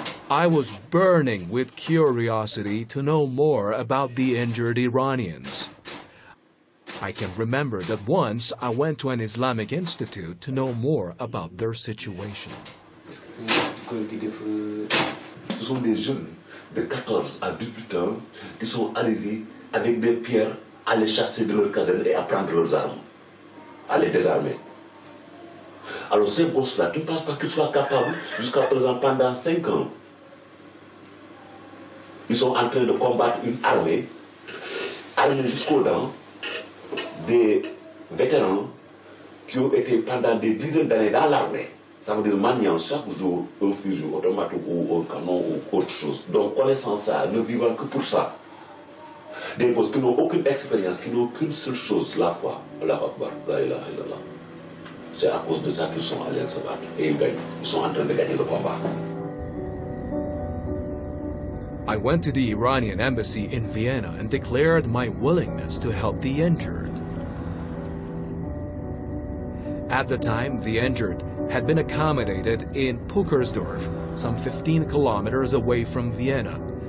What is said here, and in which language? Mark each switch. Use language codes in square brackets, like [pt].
[en] I was burning with curiosity to know more about the injured Iranians. I can remember that once I went to an Islamic institute to know more about their situation. [fr] Ce sont des jeunes de 14 à 18 ans qui sont arrivés avec des pierres à les chasser de leur caserne et à prendre leurs armes, à les désarmer. Alors ces bosses-là, tu ne penses pas qu'ils soient capables jusqu'à présent pendant 5 ans. Ils sont en train de combattre une armée, armée jusqu'aux dents, des vétérans qui ont été pendant des dizaines d'années dans l'armée. Ça veut dire maniant chaque jour un fusil automatique ou un canon ou autre chose. Donc connaissant ça, ne vivant que pour ça. Des bosses qui n'ont aucune expérience, qui n'ont qu'une seule chose, la foi. [ar] Allah Akbar, la ilaha illallah. [fr] C'est à cause de ça qu'ils sont allés se battre. Et ils gagnent. Ils sont en train de gagner le combat. [en] I went to the Iranian embassy in Vienna and declared my willingness to help the injured. At the time, the injured had been accommodated in Pukersdorf, some 15 kilometers away from Vienna.